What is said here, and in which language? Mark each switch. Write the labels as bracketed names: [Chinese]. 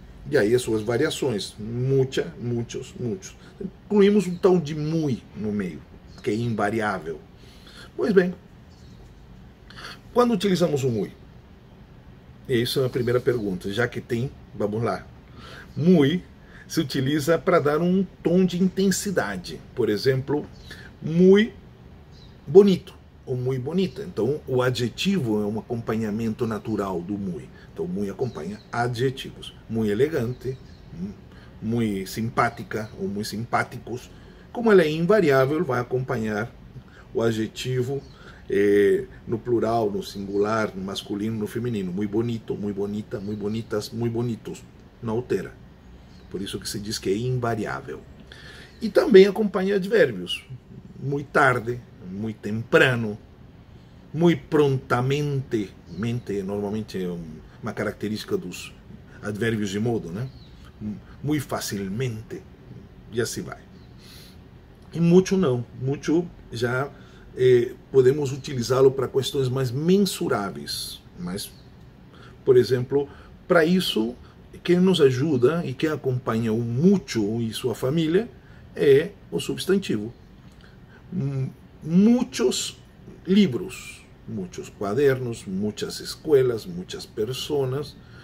[Portuguese] E aí as suas variações. [Spanish] Mucha, muchos, muchos. [Portuguese] Incluímos um tal de muy no meio, que é invariável. Pois bem, quando utilizamos o muy? Isso é a primeira pergunta, já que tem, vamos lá. Muy se utiliza para dar um tom de intensidade. Por exemplo, [Spanish] muy bonito [Portuguese] ou [Spanish] muy bonita. [Portuguese] Então, o adjetivo é um acompanhamento natural do muy. Então, muy acompanha adjetivos. [Spanish] Muy elegante, muy simpática ou muy simpáticos. [Portuguese] Como ela é invariável, vai acompanhar o adjetivo no plural, no singular, no masculino, no feminino. [Spanish] Muy bonito, muy bonita, muy bonitas, muy bonitos. [Portuguese] Não altera. Por isso que se diz que é invariável. E também acompanha advérbios. [Spanish] Muy tarde, muy temprano, muy prontamente. [Portuguese] Mente normalmente é uma característica dos advérbios de modo, né? [Spanish] Muy facilmente. [Portuguese] E assim vai. E mucho não. Mucho já podemos utilizá-lo para questões mais mensuráveis. Mas, por exemplo, para isso, quem nos ajuda e quem acompanha o mucho e sua família é o substantivo. [Spanish] Muchos livros, muchos quadernos, muchas escuelas, muchas personas.